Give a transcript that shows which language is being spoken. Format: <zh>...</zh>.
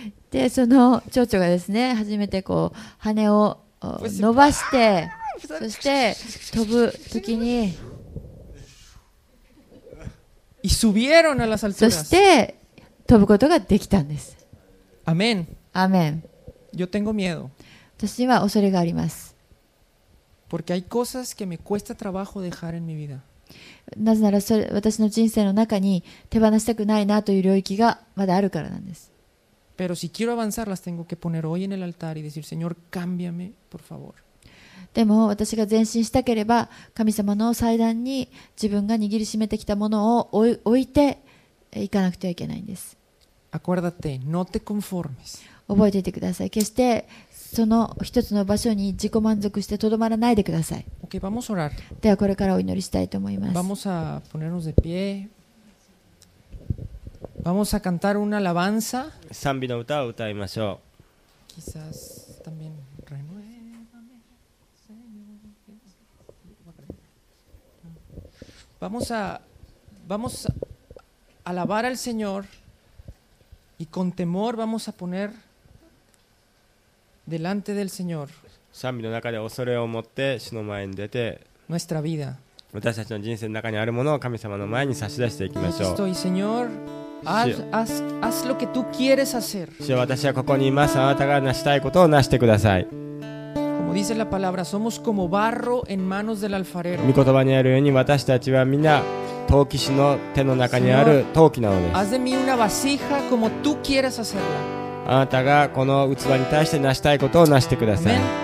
<ja>で、その蝶々がですね、初めてこう羽を伸ばして、そして飛ぶときに、</ja> <es>y subieron a las alturas.</es> <ja>そして飛ぶことができたんです。アメン。アメン。</ja> <es>Yo tengo miedo.</es> <ja>私には恐れがあります。</ja> <es>Porque hay cosas que me cuesta trabajo dejar en mi vida.</es> <ja>なぜならそれ私の人生の中に手放したくないなという領域がまだあるからなんです。</ja> <es>Pero si quiero avanzar, las tengo que poner hoy en el altar y decir, Señor, cámbiame, por favor.</es> <ja>でも私が前進したければ神様の祭壇に自分が握りしめてきたものを置いていかなくてはいけないんです。</ja> <es>Acuérdate, no te conformes.</es> <ja>覚えていてください。決してその一つの場所に自己満足してとどまらないでください。</ja> <es>Okay, vamos orar.</es> <ja>ではこれからお祈りしたいと思います。</ja> <es>Vamos a ponernos de pie. Vamos a cantar una alabanza.</es> <ja>賛美の歌を歌いましょう。</ja> <es>Quizás también renueve. Vamos a alabar al Señor y con temor vamos a poner. Delante del Señor.</es> <ja>賛美の中で恐れを持って主の前に出て</ja> <es>Nuestra vida.</es> <ja>私たちの人生の中にあるものを神様の前に差し出していきましょう</ja> <es>Estoy, Señor, haz lo que tú quieres hacer.</es> <ja>主よ私はここにいますあなたが成したいことを成してください</ja> <es>Como dice la palabra, somos como barro en manos del alfarero.</es> <ja>御言葉にあるように私たちはみんな陶器師の手の中にある陶器なのです</ja> <es>Haz de mí una vasija como tú quieres hacerla.</es> <ja>あなたがこの器に対して成したいことを成してください。</ja>